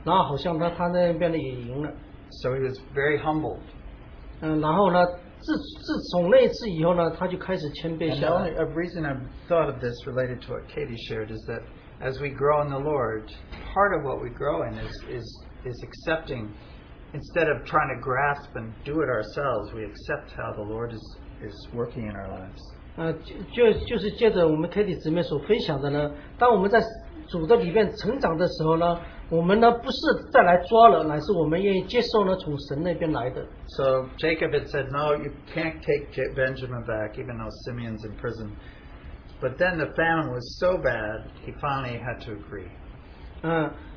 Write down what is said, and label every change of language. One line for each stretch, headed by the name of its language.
Chinese: 当他有了这些所有的小孩子以后呢，他就跟神摔跤呢，然后好像他那边呢也赢了。
English: So he was very humbled.
Chinese: 然后呢，自从那次以后呢，他就开始谦卑下来。
English: A reason I've thought of this related to what Katie shared is that as we grow in the Lord, part of what we grow in is accepting, instead of trying to grasp and do it ourselves, we accept how the Lord is working in our lives.
Chinese: 就是借着我们 Katie 姊妹所分享的呢，当我们在主的里面成长的时候呢。我们呢不是再来抓了，乃是我们愿意接受呢从神那边来的。
English: So Jacob had said, "No, you can't take Benjamin back, even though Simeon's in prison." But then the famine was so bad, he finally had to agree.